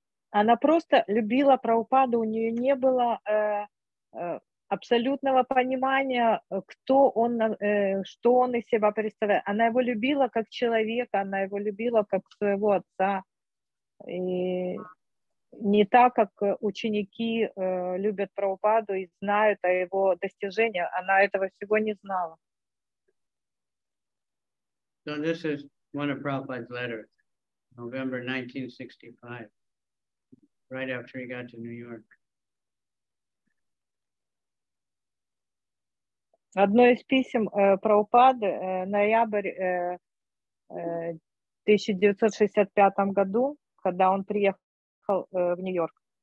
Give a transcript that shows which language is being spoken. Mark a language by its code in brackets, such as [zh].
[ru] Она просто любила Прабхупаду, у нее не было абсолютного понимания, кто он, что он из себя представляет. Она его любила как человека, она его любила как своего отца. И не так, как ученики любят Прабхупаду и знают о его достижениях, она этого всего не знала. [en] So this is one of Prabhupada's letters, November 1965. Right after he got to New York. [ru] Одно из писем Прабхупады ноябрь 1965 году, когда он приехал в Нью-Йорк.